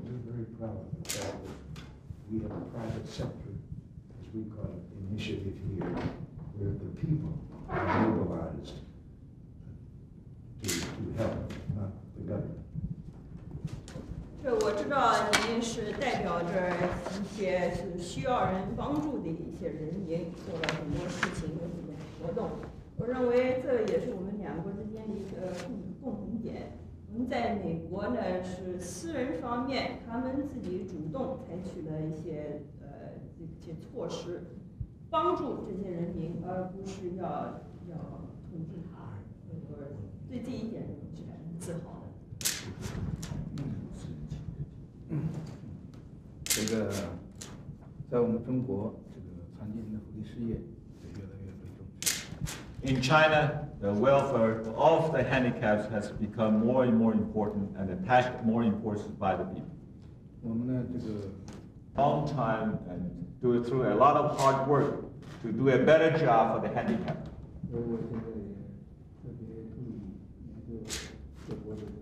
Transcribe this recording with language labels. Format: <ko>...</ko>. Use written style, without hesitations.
<en>We're very proud of the fact that we have a private sector, as we call it, initiative here, where the people are mobilized to help, not the government.</en> <zh>对，我知道您是代表着一些是需要人帮助的一些人，也做了很多事情，有很多活动。我认为这也是我们两国之间的一个共同点。我们在美国呢，是私人方面他们自己主动采取了一些措施，帮助这些人民，而不是要统治他。我对这一点是感到自豪的。这个在我们中国，这个残疾人的福利事业也越来越被重视。</zh> <en>In China, the welfare of the handicaps has become more and more important and attached more importance by the people.</en> <zh>我们呢，这个</zh> <en>long time and do it through a lot of hard work to do a better job for the handicapped.</en> <zh>我现在也特别注意研究各国的。</zh>